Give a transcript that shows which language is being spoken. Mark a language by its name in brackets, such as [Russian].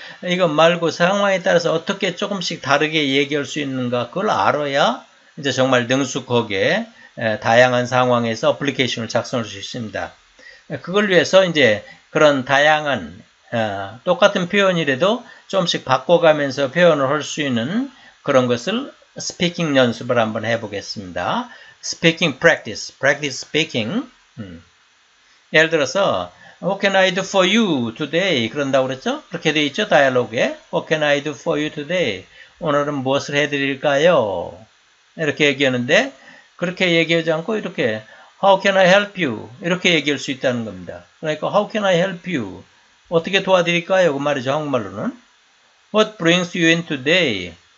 [Korean] 이것 말고 상황에 따라서 어떻게 조금씩 다르게 얘기할 수 있는가 그걸 알아야 이제 정말 능숙하게 다양한 상황에서 어플리케이션을 작성할 수 있습니다. 그걸 위해서 이제 그런 다양한 똑같은 표현이라도 조금씩 바꿔가면서 표현을 할 수 있는 그런 것을 스피킹 연습을 한번 해보겠습니다. 스피킹 프랙티스, 프랙티스 스피킹. 예를 들어서 [English] What can I do for you today? [Korean] 그런다고 그랬죠? 그렇게 돼 있죠? 다이얼로그에 [English] What can I do for you today? [Korean] 오늘은 무엇을 해드릴까요? 이렇게 얘기하는데 그렇게 얘기하지 않고 이렇게 [English] How can I help you? [Korean] 이렇게 얘기할 수 있다는 겁니다. 그러니까 [English] How can I help you? [Korean] 어떻게 도와드릴까요? 그 말이죠. 한국말로는 [English] What brings you in today?